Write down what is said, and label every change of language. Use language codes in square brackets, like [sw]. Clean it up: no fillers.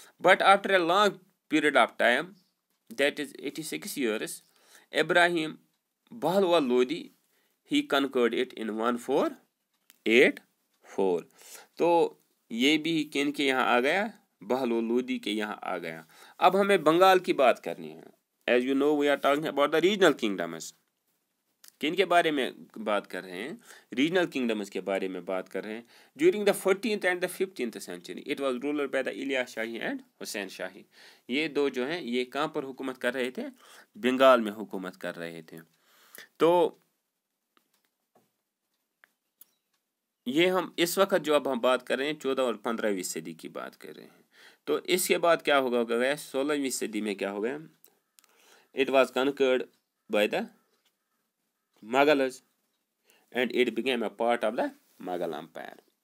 [en] But after a long period of time, that is 86 years, Ibrahim Bahlol Lodi he conquered it in 1484. [ur] تو یہ بھی کن کے یہاں آ گیا؟ بہلوا لودی کے یہاں آ گیا. اب ہمیں بنگال کی بات کرنی ہے. [en] As you know we are talking about the regional kingdoms. [ur] کن کے بارے میں بات کر رہے ہیں؟ ریجنل کنگڈمز کے بارے میں بات کر رہے ہیں. [en] During the 14th and the 15th century, it was ruler by the Ilyas Shahi and Hussain Shahi. [ur] یہ دو جو ہیں, یہ کہاں پر حکومت کر رہے تھے؟ بنگال میں حکومت کر رہے تھے. تو یہ ہم اس وقت جو اب ہم بات کر رہے ہیں 14th اور 15th صدی کی بات کر رہے ہیں. تو اس کے بعد کیا ہوگا؟ ہو گیا 16th صدی میں کیا ہو گیا؟ [en] It was conquered by the Mughals and it became a part of the Mughal empire.